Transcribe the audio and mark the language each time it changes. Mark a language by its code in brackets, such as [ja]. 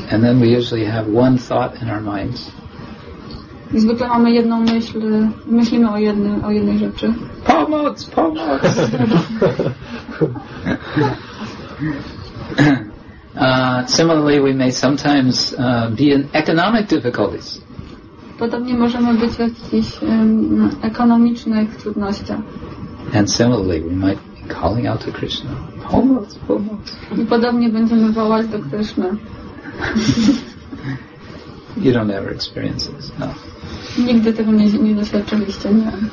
[en] And then we usually have one thought in our minds. [pl] I zwykle mamy jedną myśl, myślimy o jednej rzeczy. Pomoc, pomoc! [en] Similarly, we may sometimes be in economic difficulties. [pl] Podobnie możemy być w jakichś ekonomicznych trudnościach. [en] And similarly, we might be calling out to Krishna. [pl] Pomoc, pomoc! I podobnie będziemy wołać do Krishna. [en] You don't ever experience this, no. [pl] Nigdy tego nie doświadczyliście, nie.